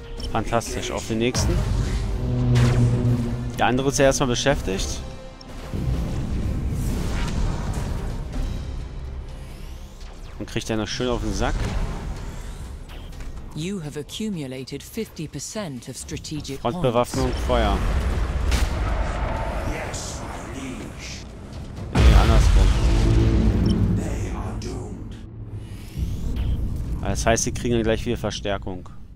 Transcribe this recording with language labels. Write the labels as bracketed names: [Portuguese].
[German] Fantastisch, auf den nächsten. Der andere ist ja erstmal beschäftigt. Und kriegt er noch schön auf den Sack. [English] You have accumulated 50% of strategic [German] Frontbewaffnung, Feuer. Nee, andersrum. [English] They are doomed. [German] Das heißt, sie kriegen dann gleich wieder Verstärkung.